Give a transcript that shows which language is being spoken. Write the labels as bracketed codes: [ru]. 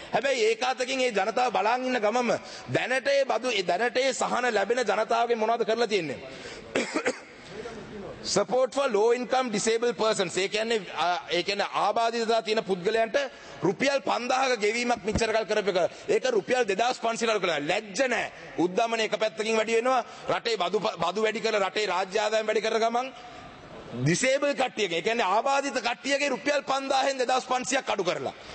[si] හැබැයි ඒකාතකින් ඒ ජනතාව බලන් ඉන්න ගමම දැනටේ සහන ලැබෙන ජනතාවගේ මොනවද කරලා තියෙන්නේ? [en] Support for low income disabled persons. [si] ඒ කියන්නේ ආබාධිතතාව තියෙන පුද්ගලයන්ට රුපියල් 5000ක ගෙවීමක් මෙච්චර කාල කරපු එක. ඒක රුපියල් 2500ක් කරලා ලැජ්ජ නැහැ. උද්දමන එක පැත්තකින් වැඩි වෙනවා. රටේ බදු වැඩි කරලා රටේ රාජ්‍ය ආදායම වැඩි කර ගමන් disabled කට්ටියගේ, ඒ කියන්නේ ආබාධිත කට්ටියගේ රුපියල් 5000න් 2500ක් අඩු කරලා.